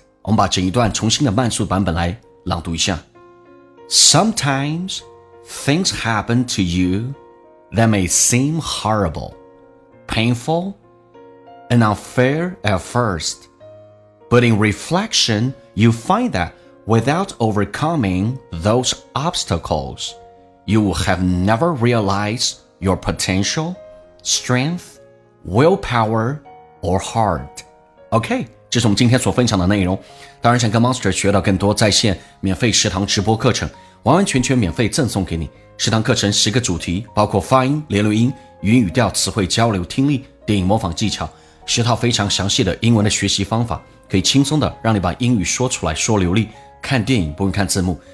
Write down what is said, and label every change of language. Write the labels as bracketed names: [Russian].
[Chinese] 我们把整一段重新的慢速版本来朗读一下。 [English] Sometimes things happen to you that may seem horrible, painful, and unfair at firstBut in reflection, you find that without overcoming those obstacles, you have never realized your potential, strength, willpower, or heart. [Chinese] OK, 这是我们今天所分享的内容。当然想跟 Monster 学到更多在线免费食堂直播课程，完完全全免费赠送给你。食堂课程10个主题，包括发音、连读音、语音语调、词汇交流、听力、电影模仿技巧，10套非常详细的英文的学习方法，可以轻松的让你把英语说出来说流利，看电影不用看字幕。